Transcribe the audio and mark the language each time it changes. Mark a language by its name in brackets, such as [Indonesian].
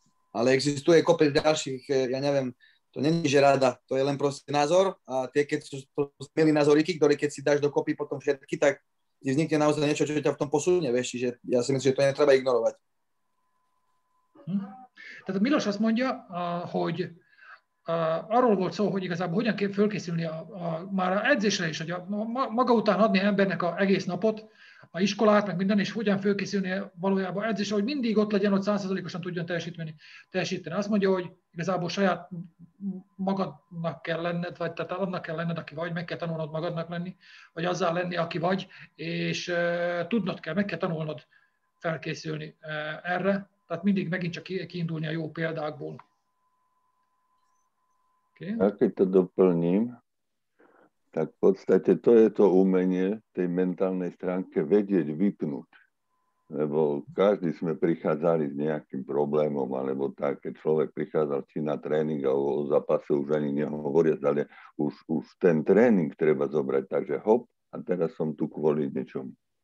[Slovak] Ale existuje kopec ďalších, ja neviem, to není, že rada, to je len proste názor a tie, keď sú milí názoriky, ktoré keď si dáš do kopy potom všetky, tak vznikne naozaj niečo, čo ťa v tom posunie, vieš, že ja si myslím, že to netreba ignorovať. [Hungarian] Teda Miloš vás mondia, hogy arról volt szó, hogy igazából hogyan kell fölkészülni már a edzésre is, hogy maga után adni embernek a egész napot, a iskolát, meg minden, és hogyan fölkészülni valójában edzésre, hogy mindig ott legyen, hogy 100%-osan tudjon teljesíteni. Azt mondja, hogy igazából saját magadnak kell lenned, vagy tehát annak kell lenned, aki vagy, meg kell tanulnod magadnak lenni, vagy azzal lenni, aki vagy, és tudnod kell, meg kell tanulnod felkészülni erre, tehát mindig megint csak kiindulni a jó példákból. [Slovak] Ak to doplním, tak v podstate to je to umenie tej mentálnej stránke vedieť vypnúť. Lebo každý sme prichádzali s nejakým problémom, alebo tak, keď človek prichádzal či na tréning alebo o zápase už ani nehovoria, ale už ten tréning treba zobrať, takže hop, a teraz som tu kvôli niečomu.